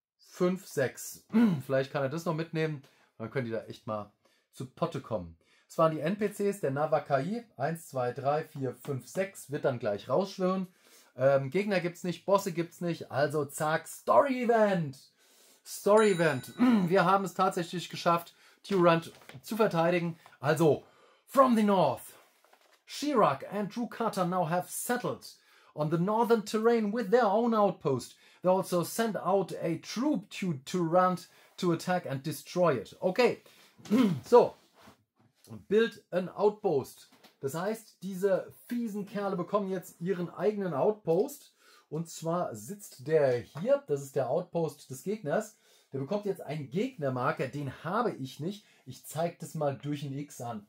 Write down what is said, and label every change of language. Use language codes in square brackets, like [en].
[de] 5, 6. Vielleicht kann er das noch mitnehmen. Dann können die da echt mal zu Potte kommen. Das waren die NPCs der Navakai. 1, 2, 3, 4, 5, 6. Wird dann gleich rausschwirren. Gegner gibt's nicht, Bosse gibt's nicht. Also zack, Story Event. Wir haben es tatsächlich geschafft, Tyrant zu verteidigen. [en] Also, from the north, Shirak and Drukata now have settled on the northern terrain with their own outpost. They also sent out a troop to Tyrant to attack and destroy it. Okay, so, build an outpost. [de] Das heißt, diese fiesen Kerle bekommen jetzt ihren eigenen Outpost. Und zwar sitzt der hier, das ist der Outpost des Gegners. Der bekommt jetzt einen Gegnermarker, den habe ich nicht. Ich zeige das mal durch ein X an.